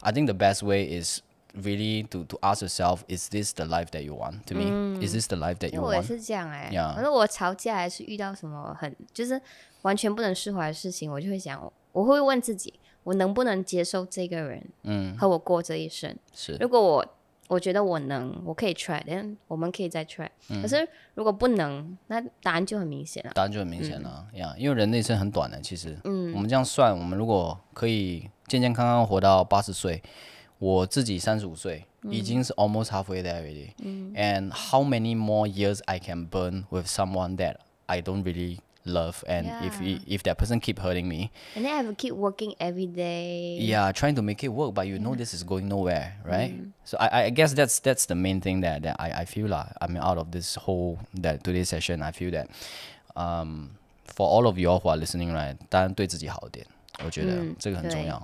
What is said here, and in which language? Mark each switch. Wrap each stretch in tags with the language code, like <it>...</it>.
<en>I think the best way is really to ask yourself, is this the life that you want to me?，嗯，is this the life that you want?</en> <zh>我也是这样哎，欸，yeah. 反正我吵架还是遇到什么很就是完全不能释怀的事情，我就会想，我会问自己，我能不能接受这个人，嗯，和我过这一生？是，如果我觉得我能，我可以 try， 但我们可以再 try，嗯。可是如果不能，那答案就很明显了。答案就很明显了，嗯 yeah, 因为人的一生很短的，其实，嗯，我们这样算，我们如果可以健健康康活到80岁，我自己35岁、嗯，已经是</zh> <en>almost halfway there already，</en> <zh>嗯。</zh> <en>And how many more years I can burn with someone that I don't really love? And yeah. if that person keep hurting me, and then I have to keep working every day. Yeah, trying to make it work, but you know this is going nowhere, right? Mm. So I guess that's the main thing that I feel lah. I mean, out of this whole that today's session, I feel that, for all of y'all who are listening, right?</en> <zh>当然对自己好一点，我觉得这个很重要。</zh>